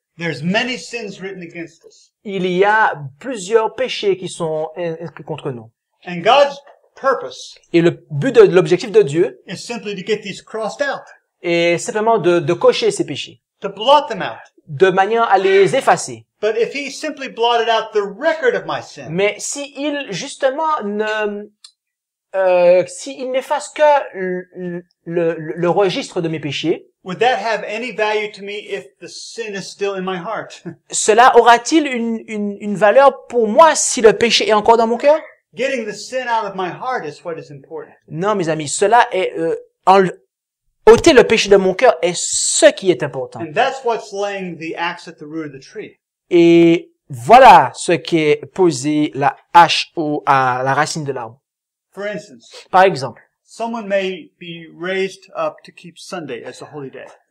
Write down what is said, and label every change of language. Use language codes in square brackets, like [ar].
[en] there's many sins written against us. [fr] Il y a plusieurs péchés qui sont inscrits contre nous. [en] And God's purpose. [fr] Et le but de l'objectif de Dieu [en] is simply to get these crossed out. [fr] Et simplement de cocher ces péchés. [en] To blot them out. [fr] De manière à les effacer. [en] But if he simply blotted out the record of my sin. [fr] Mais si il justement ne si il n'efface que le registre de mes péchés. [en] Would that have any value to me if the sin is still in my heart? [fr] Cela aura-t-il une valeur pour moi si le péché est encore dans mon cœur? [en] Getting the sin out of my heart is what is important. [fr] Non, mes amis, cela est ôter le péché de mon cœur est ce qui est important. [en] And that's what's laying the axe at the root of the tree. [fr] Et voilà ce qui est posé la hache à la racine de l'arbre. [en] For instance. [fr] Par exemple. [en] Someone may be raised up to keep Sunday as a holy day.